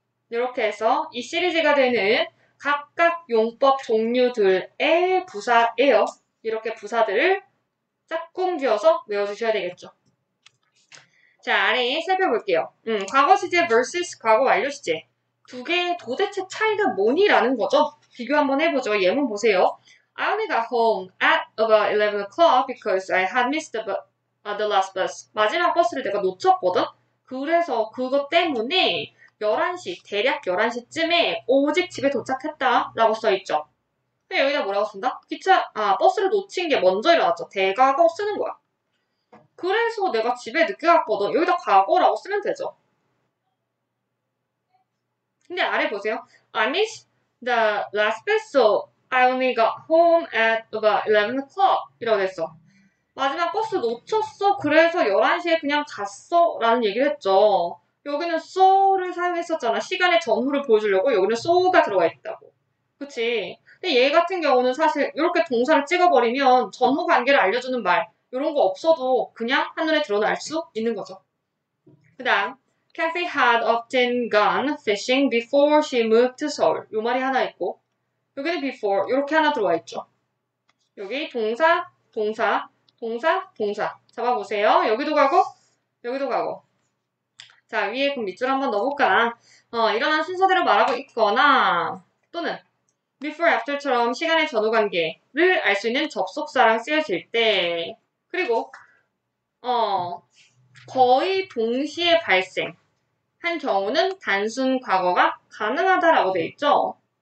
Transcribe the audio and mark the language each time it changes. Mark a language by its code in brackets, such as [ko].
[ko] 이렇게 해서 이 시리즈가 되는 각각 용법 종류들의 부사예요. 이렇게 부사들을 짝꿍 지어서 외워주셔야 되겠죠. 자, 아래에 살펴볼게요. 과거 시제 vs 과거 완료 시제. 두 개의 도대체 차이가 뭐니? 라는 거죠. 비교 한번 해보죠. 예문 보세요. [en] I only got home at about 11 o'clock because I had missed the last bus. [ko] 마지막 버스를 내가 놓쳤거든? 그래서 그것 때문에 11시, 대략 11시쯤에 오직 집에 도착했다 라고 써 있죠. 근데 여기다 뭐라고 쓴다? 버스를 놓친 게 먼저 일어났죠. 대가가 쓰는 거야. 그래서 내가 집에 늦게 갔거든. 여기다 과거라고 쓰면 되죠. 근데 아래 보세요. [en] I missed the last bus, so I only got home at about 11 o'clock. [ko] 이러고 됐어. 마지막 버스 놓쳤어. 그래서 11시에 그냥 갔어 라는 얘기를 했죠. 여기는 so를 사용했었잖아. 시간의 전후를 보여주려고 여기는 so가 들어가 있다고. 그치? 근데 얘 같은 경우는 사실 이렇게 동사를 찍어버리면 전후 관계를 알려주는 말, 이런 거 없어도 그냥 한눈에 드러날 수 있는 거죠. [en] 그 다음, Kathy had often gone fishing before she moved to Seoul. [ko] 요 말이 하나 있고, 여기는 before, 이렇게 하나 들어와 있죠. 여기 동사, 동사, 동사, 동사. 잡아보세요. 여기도 가고, 여기도 가고. 자, 위에 그럼 밑줄 한번 넣어볼까? 일어난 순서대로 말하고 있거나, 또는, before, after처럼 시간의 전후 관계를 알수 있는 접속사랑 쓰여질 때, 그리고, 거의 동시에 발생한 경우는 단순 과거가 가능하다라고 돼 있죠?